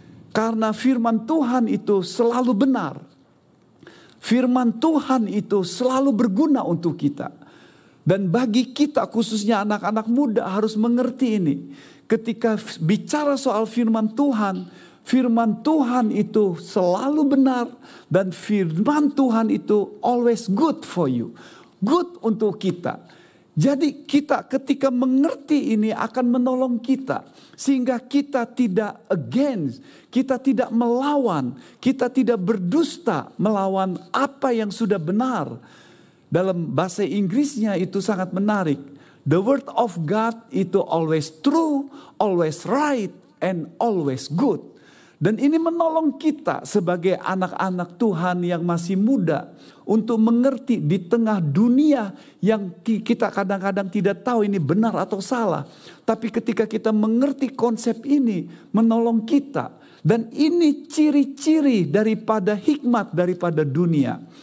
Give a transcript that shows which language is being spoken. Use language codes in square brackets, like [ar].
[id] Karena firman Tuhan itu selalu benar. Firman Tuhan itu selalu berguna untuk kita. Dan bagi kita khususnya anak-anak muda harus mengerti ini. Ketika bicara soal firman Tuhan itu selalu benar. Dan firman Tuhan itu [en] always good for you. [id] Good untuk kita. Jadi kita ketika mengerti ini akan menolong kita. Sehingga kita tidak against, kita tidak melawan, kita tidak berdusta melawan apa yang sudah benar. Dalam bahasa Inggrisnya itu sangat menarik. [en] The word of God itu always true, always right, and always good. [id] Dan ini menolong kita sebagai anak-anak Tuhan yang masih muda untuk mengerti di tengah dunia yang kita kadang-kadang tidak tahu ini benar atau salah. Tapi ketika kita mengerti konsep ini, menolong kita. Dan ini ciri-ciri daripada hikmat daripada dunia.